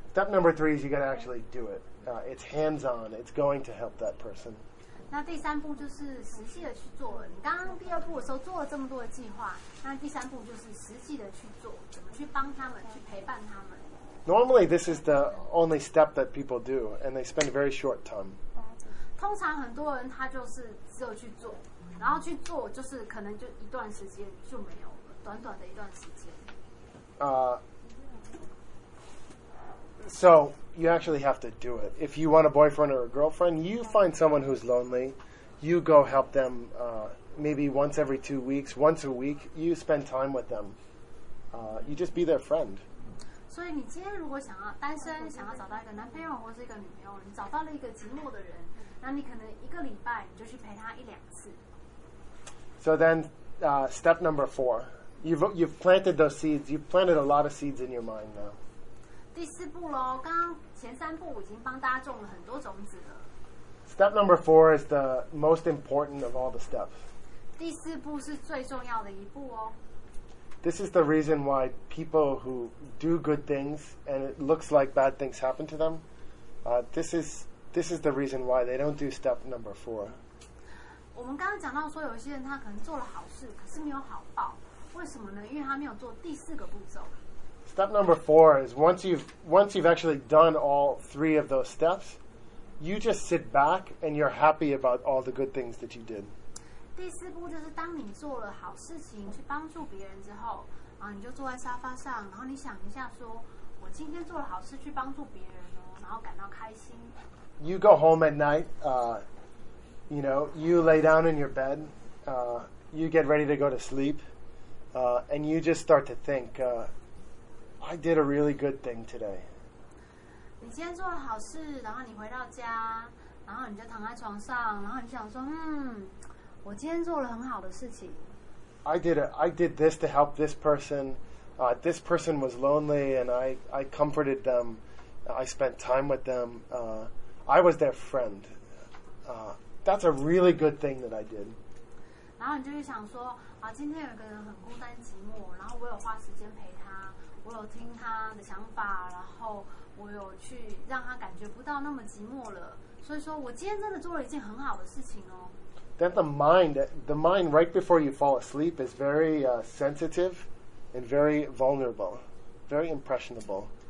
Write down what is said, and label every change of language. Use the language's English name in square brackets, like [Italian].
[English] Step number three is you got to actually do it. It's hands-on. It's going to help that person. [Chinese] 那第三步就是实际的去做了。你刚刚第二步的时候做了这么多的计划，那第三步就是实际的去做，怎么去帮他们，去陪伴他们。 [English] Normally, this is the only step that people do, and they spend a very short time. [Chinese] 通常很多人他就是只有去做，然后去做就是可能就一段时间就没有了，短短的一段时间。 [English] So you actually have to do it. If you want a boyfriend or a girlfriend, you find someone who's lonely. You go help them maybe once every 2 weeks, once a week. You spend time with them. You just be their friend. So if you today, if you want to be single, want to find a boyfriend or a girlfriend, you find a lonely person, then you maybe a week you go help them 1-2 times. So then, step number four, you've planted those seeds. You've planted a lot of seeds in your mind now. [Chinese] 第四步咯，刚刚前三步已经帮大家种了很多种子了。 [English] Step number four is the most important of all the steps. [Chinese] 第四步是最重要的一步哦。 [English] This is the reason why people who do good things and it looks like bad things happen to them, this is the reason why they don't do step number four. [Chinese] 我们刚刚讲到说，有些人他可能做了好事，可是没有好报，为什么呢？因为他没有做第四个步骤。 [English] Step number four is once you've actually done all three of those steps, you just sit back and you're happy about all the good things that you did. [Chinese] 第四步就是当你做了好事情去帮助别人之后，你就坐在沙发上，然后你想一下说，我今天做了好事去帮助别人哦，然后感到开心。 [English] You go home at night, you lay down in your bed, you get ready to go to sleep, and you just start to think. I did a really good thing today. [Chinese] 你今天做了好事，然后你回到家，然后你就躺在床上，然后你想说，我今天做了很好的事情。 [English] I did this to help this person. this person was lonely, and I comforted them. I spent time with them. I was their friend. That's a really good thing that I did. [Chinese] 然后你就会想说，啊，今天有一个人很孤单寂寞，然后我有花时间陪他，我有听他的想法，然后我有去让他感觉不到那么寂寞了。所以说我今天真的做了一件很好的事情哦。 [English] That the mind right before you fall asleep is very sensitive and very vulnerable, very impressionable.